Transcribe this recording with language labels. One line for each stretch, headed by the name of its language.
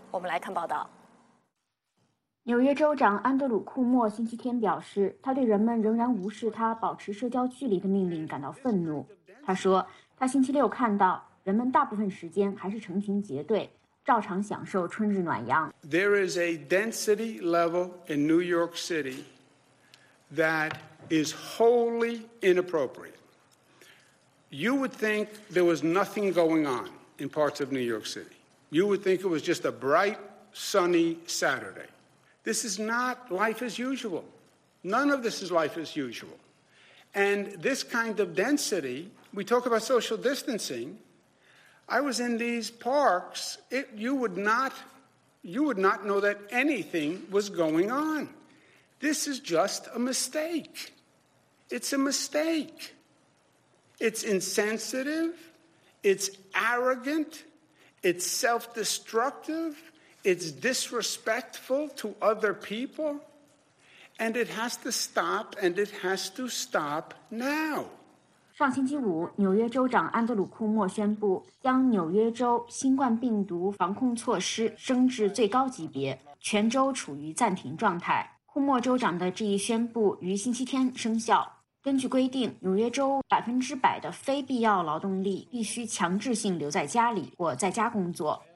Chinese: 我们来看报道。纽约州长安德鲁·库莫星期天表示，他对人们仍然无视他保持社交距离的命令感到愤怒。他说，他星期六看到人们大部分时间还是成群结队，照常享受春日暖阳。
English: There is a density level in New York City that is wholly inappropriate. You would think there was nothing going on in parts of New York City. You would think it was just a bright, sunny Saturday. This is not life as usual. None of this is life as usual. And this kind of density, we talk about social distancing. I was in these parks. You would not know that anything was going on. This is just a mistake. It's a mistake. It's insensitive. It's arrogant. It's self-destructive. It's disrespectful to other people, and it has to stop, and it has to stop now.
Chinese: 上星期五，纽约州长安德鲁·库莫宣布将纽约州新冠病毒防控措施升至最高级别，全州处于暂停状态。库莫州长的这一宣布于星期天生效。根据规定，纽约州100%的非必要劳动力必须强制性留在家里或在家工作。